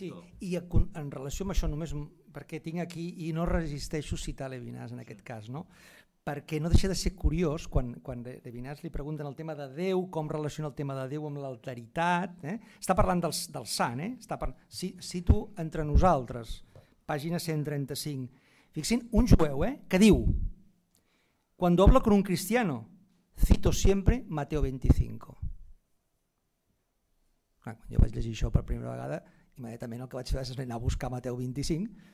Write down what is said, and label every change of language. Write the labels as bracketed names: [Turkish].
[Catalan] Sí, i en relació amb això, només perquè tinc aquí i no resisteixo citar Levinas en aquest cas, no? Perquè no deixa de ser curiós quan Levinas li pregunten el tema de Déu, com relaciona el tema de Déu amb l'alteritat. Està parlant del sant, cito entre nosaltres, pàgina 135. Fixin, un jueu, que diu: [Spanish] cuando hablo con un cristiano, cito siempre Mateo 25. [Catalan] Clar, quan jo vaig llegir això per primera vegada, immediatament el que vaig fer és anar a buscar Mateo 25.